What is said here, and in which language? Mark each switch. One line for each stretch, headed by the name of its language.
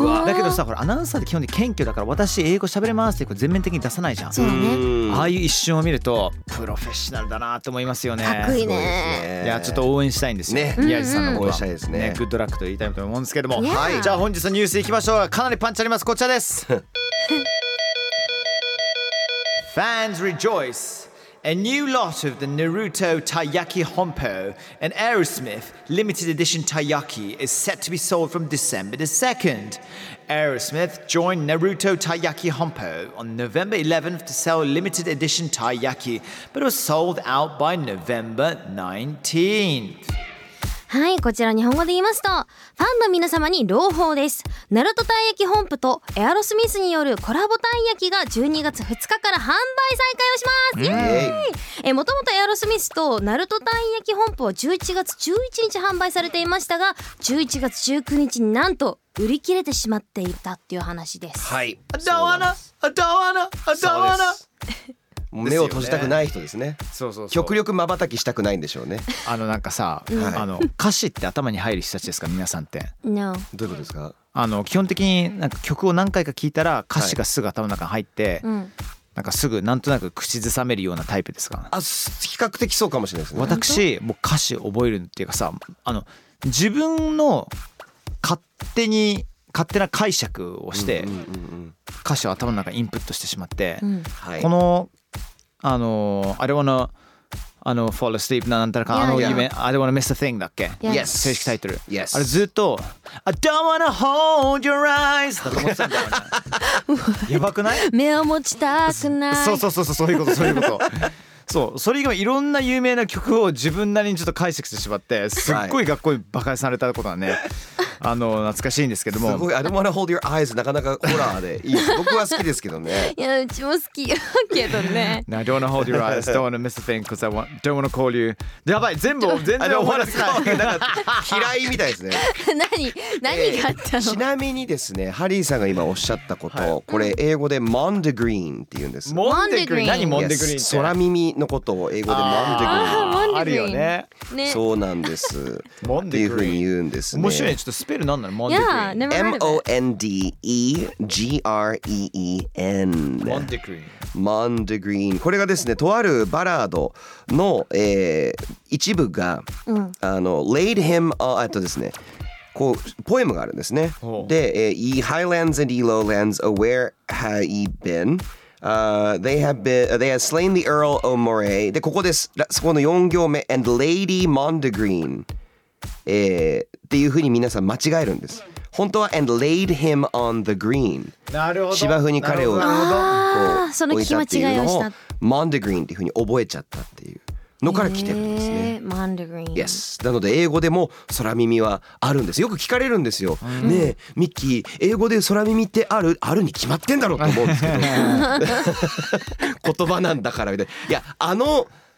Japanese: だけどさ、これアナウンサーって基本的に謙虚だから、私英語喋れますってこれ全面的に出さないじゃん。そうだね、ああいう一瞬を見るとプロフェッショナルだなと思いますよね。かっこいいね。いやちょっと応援したいんですよ、ね、宮地さんのことは、ね、グッドラックと言いたいと思うんですけども、はい、じゃあ本日のニュースいきましょう。かなりパンチあります、こちらです。
English: Fans rejoice! A new lot of the Naruto Taiyaki Honpo and Aerosmith Limited Edition Taiyaki is set to be sold from December the 2nd. Aerosmith joined Naruto Taiyaki Honpo on November 11th to sell Limited Edition Taiyaki, but was sold out by November 19th.
Japanese: はい、こちら日本語で言いますと、ファンの皆様に朗報です。ナルトたい焼き本舗とエアロスミスによるコラボたい焼きが12月2日から販売再開をします。イエーイ。もともとエアロスミスとナルトたい焼き本舗は11月11日販売されていましたが、11月19日になんと売り切れてしまっていたっていう話です。はい、あだわなあだわなあだわな。目を閉じたくない人ですね。そうそうそう、極力瞬きしたくないんでしょうね。あのなんかさ、あの歌詞って頭に入る人たちですか皆さんって。
English: No。
Japanese: どういうことですか。あの基本的になんか曲を何回か聞いたら歌詞がすぐ頭の中に入って、はい、なんかすぐなんとなく口ずさめるようなタイプですか。あ、比較的そうかもしれないですね。私もう歌詞覚えるっていうかさ、あの自分の勝手な解釈をして、うんうんうんうん、歌詞を頭の中にインプットしてしまって、うん、この I don't wanna あの fall asleep なんたらか、
English: yeah,
Japanese: あの夢、
English: yeah. I don't wanna miss a thing だっけ、 yes.
Japanese: 正式タイトル、
English: yes.
Japanese: あれずっと I don't wanna hold your eyes だと思ってたんだよね。やばくない。目を持ちたくない。そうそういうことそういうこと。そう、それ以外いろんな有名な曲を自分なりにちょっと解釈してしまって、すっごい学校にバカにされたことはね、あの懐かしいんですけども。すごい、 I don't wanna hold your eyes なかなかホラーでいい。僕は好きですけどね。いや、うちも好きけどね。
English: I don't wanna hold your eyes, don't wanna miss a thing cause I want, don't wanna call you。
Japanese: やばい、全然終わらせない。嫌いみたいですね。何があったの。ちなみにですね、ハリーさんが今おっしゃったこと、はい、これ英語でモンデグリーンって言うんです。モンデグリーン、何モンデグリーンって。空耳のことを英語でモンデグリーン、あー、あるよね。ね、そうなんです。モンデグリーンっていう風に言うんですね。面白いね、ちょっとスペルなんなの、モンデグリーン。
English: yeah, never heard of it. M-O-N-D-E-G-R-E-E-N
Japanese: モンデグリーン、モンデグリーン。これがですね、とあるバラードの、一部が、うん、あの laid him on、あとですね、こうポエムがあるんですね。
English: で、ye highlands and ye lowlands, oh where have ye been? They have slain the Earl of Moray.
Japanese: で、ここです。そこの4行目。 And Lady Mondegreen、っていうふうに皆さん間違えるんです。
English: 本当は And laid him on the green。
Japanese: なるほど。芝生に彼を置いたっていうのを、その聞き間違いをした。 Mondegreen っていうふうに覚えちゃったっていうのから来てるんですね。モンデグリーン。
English: Yes。
Japanese: なので英語でも空耳はあるんです。よく聞かれるんですよ。うん、ねえ、ミッキー、英語で空耳ってある？あるに決まってんだろうと思うんですけど。言葉なんだからみたいな。いや、あの